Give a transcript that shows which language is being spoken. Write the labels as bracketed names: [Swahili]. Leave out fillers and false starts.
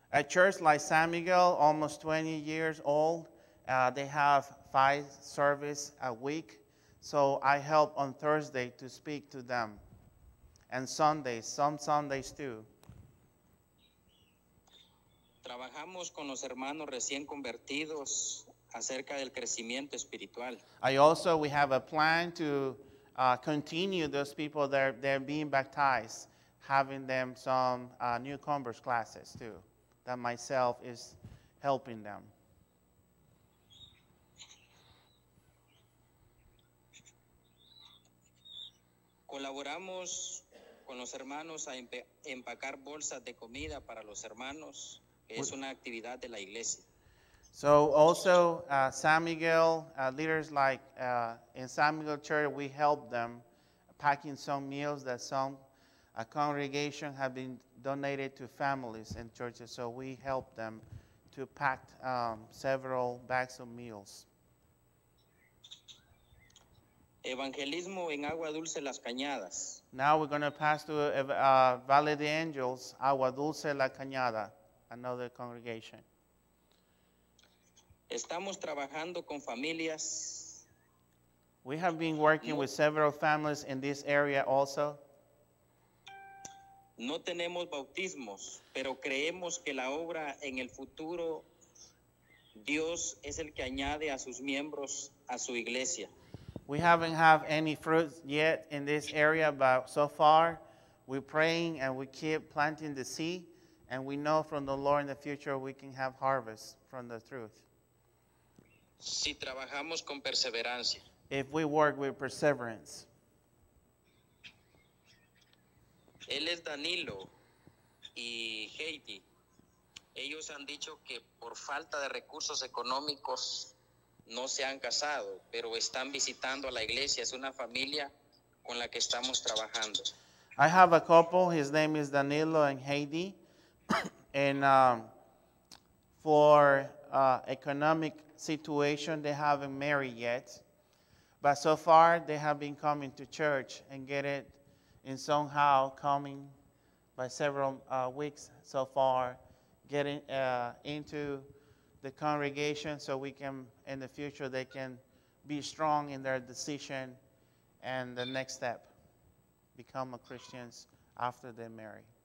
[English] A church like San Miguel, almost 20 years old, they have 5 services a week. So I help on Thursday to speak to them, and Sundays, some Sundays too. [Spanish] Trabajamos con los hermanos recién convertidos acerca del crecimiento espiritual. [English] We have a plan to continue those people that they're being baptized, having them some newcomers classes too, that myself is helping them. [Spanish] Colaboramos con los hermanos a empacar bolsas de comida para los hermanos. Es una actividad de la iglesia. [English] So also, San Miguel, leaders like in San Miguel Church, we help them packing some meals that some congregation have been donated to families and churches. So we help them to pack several bags of meals. [Spanish] Evangelismo en Agua Dulce, Las Cañadas. [English] Now we're going to pass to Valle de Angels, Agua Dulce, La Cañada, another congregation. [Spanish] Estamos trabajando con familias. [English] We have been working with several families in this area also. [Spanish] No tenemos bautismos, pero creemos que la obra en el futuro, Dios es el que añade a sus miembros a su iglesia. [English] We haven't had any fruits yet in this area, but so far we're praying and we keep planting the seed, and we know from the Lord in the future we can have harvest from the truth. [Spanish] Si trabajamos con perseverancia. [English] If we work with perseverance. [Spanish] Él es Danilo y Heidi. Ellos han dicho que por falta de recursos económicos no se han casado, pero están visitando a la iglesia. Es una familia con la que estamos trabajando. [English] I have a couple. His name is Danilo and Heidi. And for economic situation, they haven't married yet. But so far, they have been coming to church and get it in somehow coming by several weeks so far, getting into the congregation so we can, in the future, they can be strong in their decision and the next step, become a Christian after they marry.